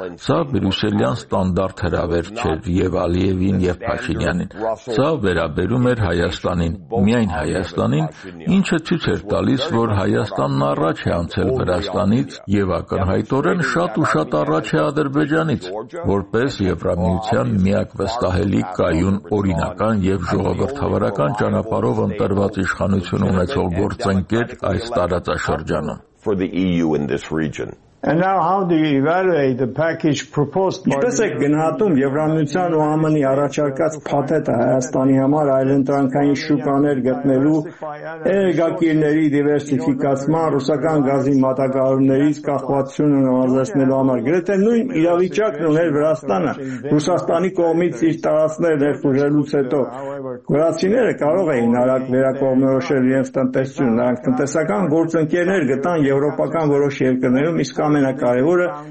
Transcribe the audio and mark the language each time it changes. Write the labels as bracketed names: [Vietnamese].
[Armenian] Սա Բրյուսելյան ստանդարտ հրավեր չէր և Ալիևին և Փաշինյանին։ Սա վերաբերում էր Հայաստանին, միայն Հայաստանին, ինչը ցույց էր տալիս, որ Հայաստանն առաջ է անցել Վրաստանից և ակնհայտորեն շատ ու շատ առաջ է Ադրբեջանից, որպես Եվրամիության միակ վստահելի կայուն օրինական և ժողովրդավարական ճանապարհով ընտրված իշխանություն ունեցող գործընկեր այս տարածաշրջանում։ [English] And now how do you evaluate the package proposed by [Armenian] Ինչպես է գնահատում Եվրամիության ու ԱՄՆ-ի առաջարկած փաթեթը Հայաստանի համար այլընտրանքային շուկաներ գտնելու, էներգակիրների դիվերսիֆիկացման, ռուսական գազի մատակարարումներից կախվածությունն ազատելու համար։ Գրեթե նույն իրավիճակն ուներ Վրաստանը Ռուսաստանի կողմից իր տարածքները ներխուժելուց հետո։ Վրացիները կարող էին արագ վերակողմնորոշել իրենց տնտեսությունը, նրանք տնտեսական գործընկերներ գտան եվրոպական որոշ երկրներում, իսկ ամենակարևորը